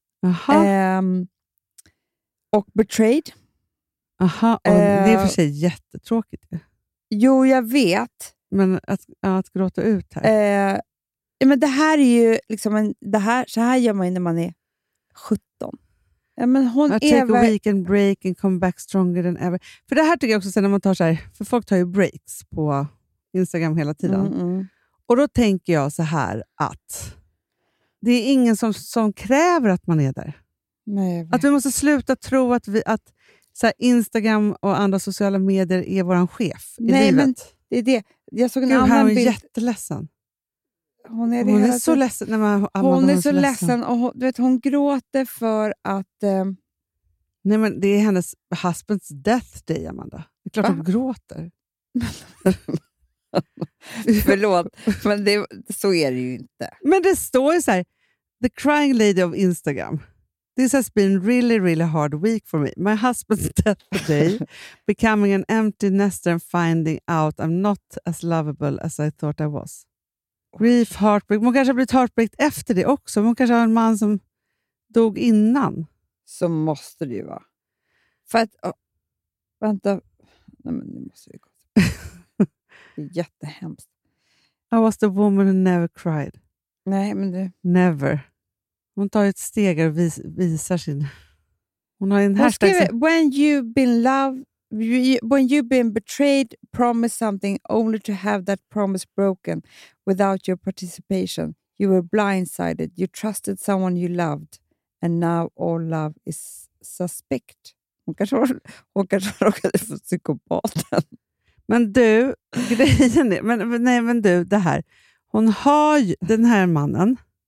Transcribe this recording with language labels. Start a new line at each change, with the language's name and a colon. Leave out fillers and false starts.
Swedish: Aha. Och betrayed. Aha. Det är för sig jättetråkigt. Jo, jag vet. Men att gråta ut här. Men det här är ju liksom så här gör man ju när man är 17. Men hon
English: take a week and break and come back stronger than ever.
Swedish: För det här tycker jag också sen när man tar så här, för folk tar ju breaks på Instagram hela tiden. Mm-mm. Och då tänker jag så här att det är ingen som kräver att man är där. Nej. Att vi måste sluta tro att så här, Instagram och andra sociala medier är våran chef i Nej, livet. Men det är det. Jag såg en annan bild. Hon är jätteledsen. Hon är så ledsen. Hon är så ledsen. Och du vet, hon gråter för att... Nej, men det är hennes
English: husbands death day,
Swedish: Amanda. Det är klart hon gråter. Förlåt, men så är det ju inte. Men det står ju så här,
English: the crying lady of Instagram. This has been really, really hard week for me. My husband's death today, becoming an empty nester and finding out I'm not as lovable as I thought I was. Grief, heartbreak.
Swedish: Man kanske har blivit heartbreaked efter det också. Man kanske har en man som dog innan. Så måste det ju vara. För att, vänta. Nej, men nu måste jag gå. Det är jättehemskt.
English: I was the woman who never cried.
Swedish: Nej, men du.
English: Never.
Swedish: Hon tar ett steg och visar sin... Hon har en hashtag.
English: When you've been loved, when you've been betrayed, promised something only to have that promise broken without your participation. You were blindsided. You trusted someone you loved. And now all love is suspect.
Swedish: Hon kanske har råkat få psykopaten. Men du, grejen är... Men du, det här. Hon har ju den här mannen.